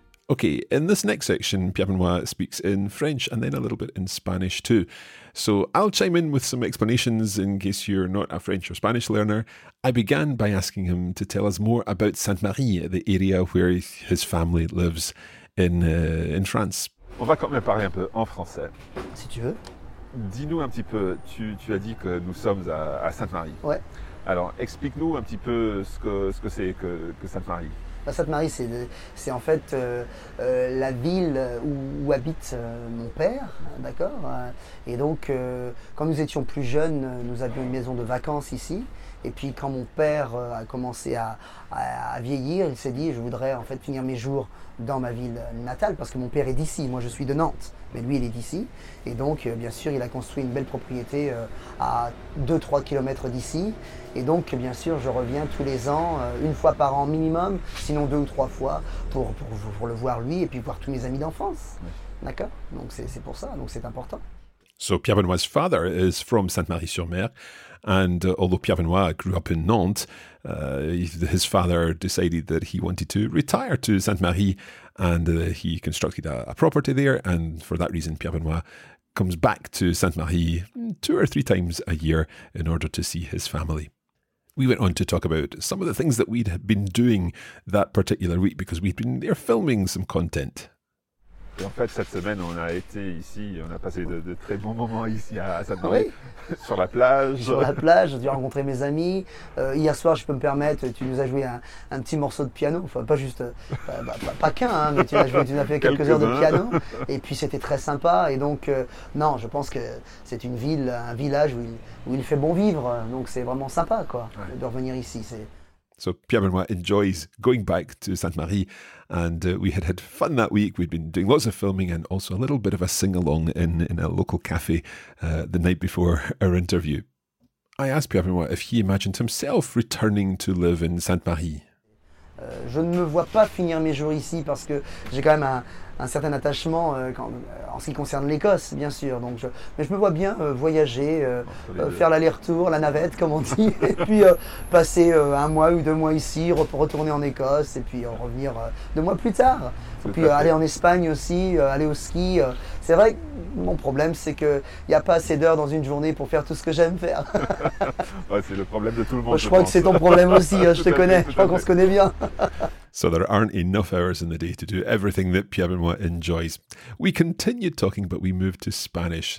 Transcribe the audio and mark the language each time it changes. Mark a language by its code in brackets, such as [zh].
[en] Okay, in this next section, Pierre Benoit speaks in French and then a little bit in Spanish too. So I'll chime in with some explanations in case you're not a French or Spanish learner. I began by asking him to tell us more about Sainte-Marie, the area where his family lives in France. [fr] On va quand même parler un peu en français. Si tu veux. Dis-nous un petit peu, tu as dit que nous sommes à Sainte-Marie. Ouais. Alors explique-nous un petit peu ce que c'est que Sainte-Marie. Sainte-Marie, c'est en fait la ville où habite mon père, d'accord. Et donc, quand nous étions plus jeunes, nous avions une maison de vacances ici. Et puis, quand mon père a commencé à vieillir, il s'est dit, je voudrais en fait finir mes jours dans ma ville natale, parce que mon père est d'ici, moi je suis de Nantes, mais lui il est d'ici. Et donc, bien sûr, il a construit une belle propriété à 2-3 km d'ici. Et donc, bien sûr, je reviens tous les ans, une fois par an minimum, sinon deux ou trois fois, pour le voir lui et puis voir tous mes amis d'enfance. Oui. D'accord ? Donc c'est pour ça, donc c'est important. [en] So Pierre Benoit's father is from Sainte-Marie-sur-Mer, and although Pierre Benoit grew up in Nantes, his father decided that he wanted to retire to Sainte-Marie, and he constructed a property there, and for that reason Pierre Benoit comes back to Sainte-Marie two or three times a year in order to see his family. We went on to talk about some of the things that we'd been doing that particular week, because we'd been there filming some content. [fr] Et en fait, cette semaine, on a été ici, on a passé de très bons moments ici à Sainte-Marie, oui. Sur la plage. Sur la plage, j'ai dû rencontrer mes amis. Hier soir, je peux me permettre, tu nous as joué un petit morceau de piano. Enfin, pas juste, pas qu'un, hein, mais tu nous as fait quelques heures de piano. Et puis, c'était très sympa. Et donc, non, je pense que c'est une ville, un village où il fait bon vivre. Donc, c'est vraiment sympa, quoi, ouais. De revenir ici. [en] So Pierre Benoit enjoys going back to Sainte-Marie, and we had fun that week. We'd been doing lots of filming and also a little bit of a sing-along in a local cafe the night before our interview. I asked Pierre Benoit if he imagined himself returning to live in Sainte-Marie. [fr] Je ne me vois pas finir mes jours ici parce que j'ai quand même un certain attachement en ce qui concerne l'Écosse, bien sûr. Donc mais je me vois bien voyager, faire l'aller-retour, la navette, comme on dit, et puis passer un mois ou deux mois ici, retourner en Écosse, et puis revenir deux mois plus tard. Et puis aller en Espagne aussi, aller au ski. C'est vrai que mon problème, c'est qu'il n'y a pas assez d'heures dans une journée pour faire tout ce que j'aime faire. Ouais, c'est le problème de tout le monde. Je crois que c'est ton problème aussi, je te connais, je crois qu'on se connaît bien. [en] So there aren't enough hours in the day to do everything that Pierre Benoit enjoys. We continued talking, but we moved to Spanish.